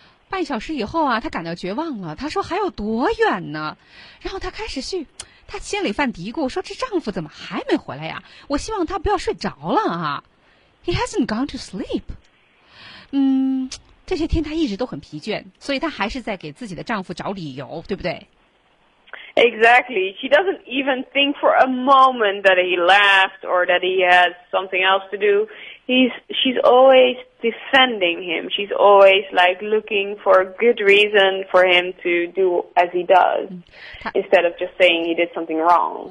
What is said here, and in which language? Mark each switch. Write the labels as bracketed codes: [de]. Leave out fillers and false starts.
[zh] 半小时以后啊，他感到绝望了。他说：“还有多远呢？” 然后他开始去，他心里犯嘀咕，说：“这丈夫怎么还没回来呀？我希望他不要睡着了啊。” [en] He hasn't gone to sleep. [zh] 这些天她一直都很疲倦，所以她还是在给自己的丈夫找理由，对不对？ [en] Exactly. She doesn't even think for a moment that he left or that he has something else to do. She's always defending him. She's always like looking for a good reason for him to do as he does, instead of just saying he did something wrong.